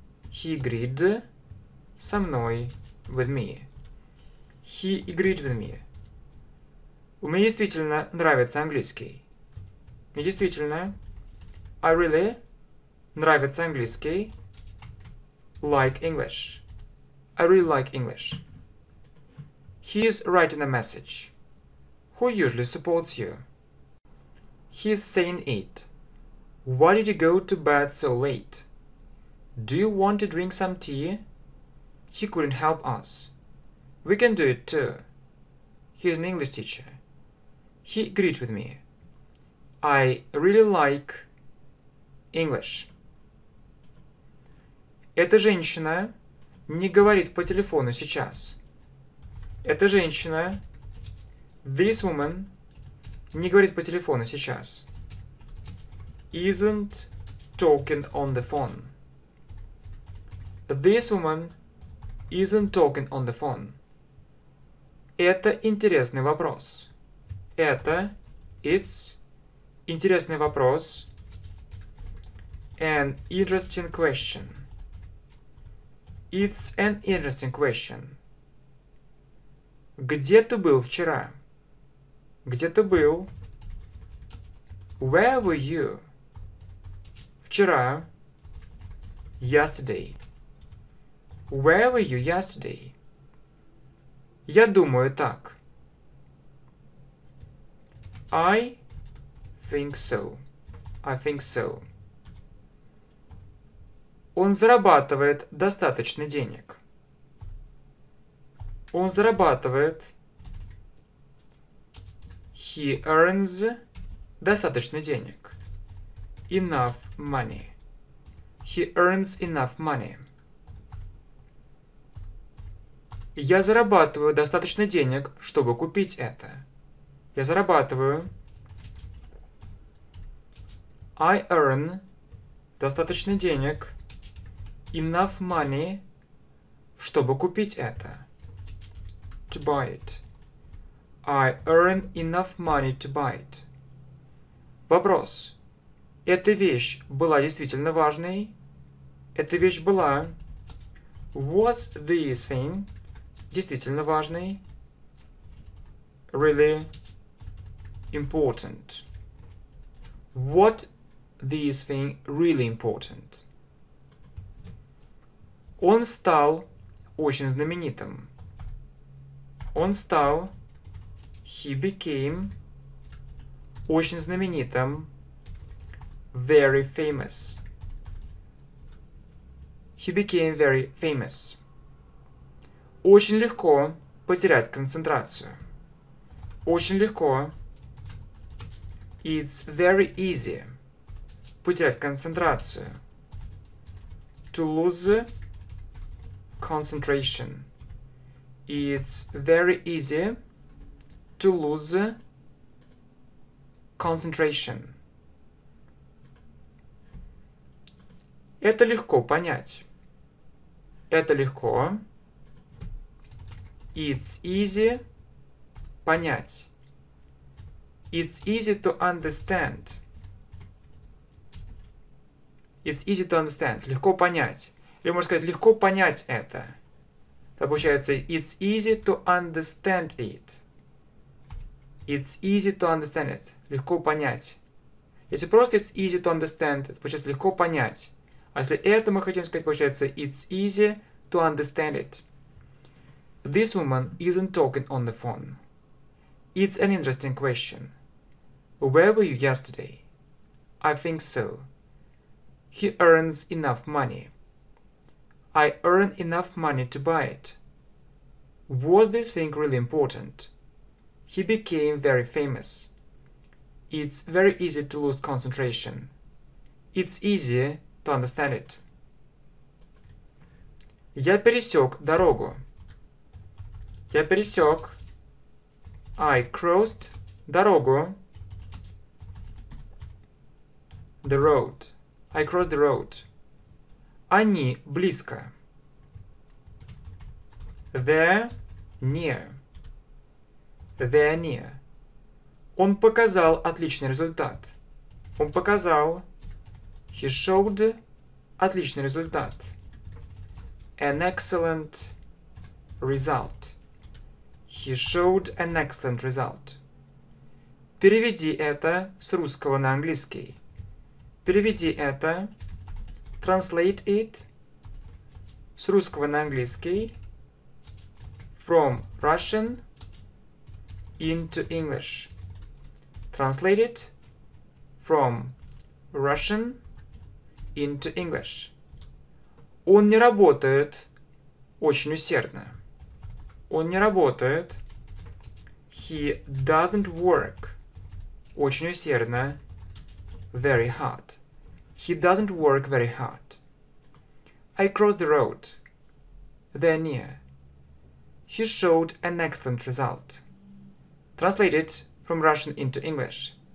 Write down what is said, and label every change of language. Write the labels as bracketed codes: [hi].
[en] He agreed [ru] со мной, [en] with me. He agreed with me. [ru] Мне действительно нравится английский. Мне действительно. [en] I really [ru] нравится английский. [en] Like English. I really like English. He is writing a message. Who usually supports you? He is saying it. Why did you go to bed so late? Do you want to drink some tea? He couldn't help us. We can do it too. He is an English teacher. He agreed with me. I really like English. [ru] Эта женщина не говорит по телефону сейчас. Эта женщина, [en] this woman, [ru] не говорит по телефону сейчас. [en] Isn't talking on the phone. This woman isn't talking on the phone. [ru] Это интересный вопрос. Это, [en] it's, [ru] интересный вопрос. [en] An interesting question. It's an interesting question. [ru] Где ты был вчера? Где ты был? [en] Where were you? [ru] Вчера. [en] Yesterday. Where were you yesterday? [ru] Я думаю так. [en] I think so. I think so. [ru] Он зарабатывает достаточно денег. Он зарабатывает. [en] He earns [ru] достаточно денег. [en] Enough money. He earns enough money. [ru] Я зарабатываю достаточно денег, чтобы купить это. Я зарабатываю. [en] I earn [ru] достаточно денег. [en] Enough money, [ru] чтобы купить это. [en] To buy it. I earn enough money to buy it. [ru] Вопрос. Эта вещь была действительно важной? Эта вещь была... [en] Was this thing [ru] действительно важной? [en] Really important. What this thing really important? [ru] Он стал очень знаменитым. Он стал... [en] He became [ru] очень знаменитым. [en] Very famous. He became very famous. [ru] Очень легко потерять концентрацию. Очень легко. [en] It's very easy [ru] потерять концентрацию. [en] To lose concentration. It's very easy to lose concentration. [ru] Это легко понять. Это легко. [en] It's easy [ru] понять. [en] It's easy to understand. It's easy to understand. [ru] Легко понять. Или можно сказать, легко понять это. Так получается, [en] it's easy to understand it. It's easy to understand it. [ru] Легко понять. Если просто [en] it's easy to understand it, [ru] получается легко понять. А если это мы хотим сказать, получается [en] it's easy to understand it. This woman isn't talking on the phone. It's an interesting question. Where were you yesterday? I think so. He earns enough money. I earn enough money to buy it. Was this thing really important? He became very famous. It's very easy to lose concentration. It's easy to understand it. [ru] Я пересек дорогу. Я пересек. [en] I crossed [ru] дорогу. [en] The road. I crossed the road. [ru] Они близко. [en] They're near. They're near. [ru] Он показал отличный результат. Он показал. [en] He showed [ru] отличный результат. [en] An excellent result. He showed an excellent result. [ru] Переведи это с русского на английский. Переведи это. [en] Translate it [ru] с русского на английский. [en] From Russian into English. Translate it from Russian into English. [ru] Он не работает очень усердно. Он не работает. [en] He doesn't work [ru] очень усердно. [en] Very hard. He doesn't work very hard. I crossed the road. They're near. He showed an excellent result. Translate it from Russian into English.